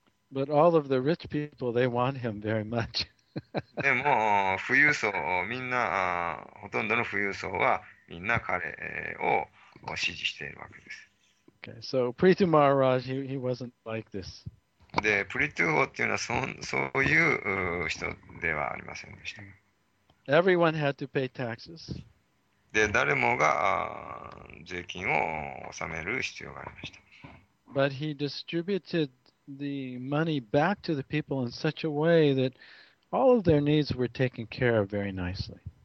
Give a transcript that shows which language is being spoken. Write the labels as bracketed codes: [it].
[en] But all of the rich people, they want him very much. [ja] です。でも、富裕層、みんな、ほとんどの富裕層はみんな彼を支持しているわけです。 [en] Okay, so Preeti Maharaj, he wasn't like this. [ja] で、プリトゥーホーっていうのはそういう人ではありませんでした。 [en] Everyone had to pay taxes. [ja] で、誰もが税金を納める必要がありました。 [en] But he distributed the money back to the people in such a way that all of their needs were taken care of very nicely.